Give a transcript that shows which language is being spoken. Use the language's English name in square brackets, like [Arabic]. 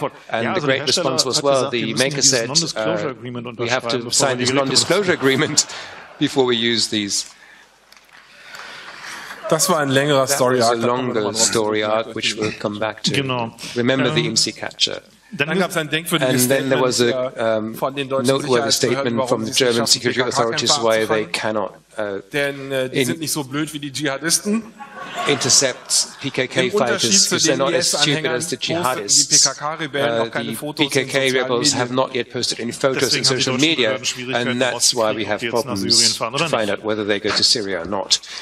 [English] And the great response was, well, the maker said, we have to sign this non-disclosure agreement before we use these. [German] Das war ein längerer Story arc. [English] That was a longer story arc, which we'll come back to. [German] Genau. [English] Remember the IMSI capture. [German] Dann gab es ein denkwürdiges Statement, [English] noteworthy statement from the German security authorities why they cannot. [German] Denn die sind nicht so blöd wie die Dschihadisten. [English] Intercept PKK fighters, because they're not as stupid as the jihadists. The PKK rebels have not yet posted any photos in social media, and that's why we have problems to find out whether they go to Syria or not.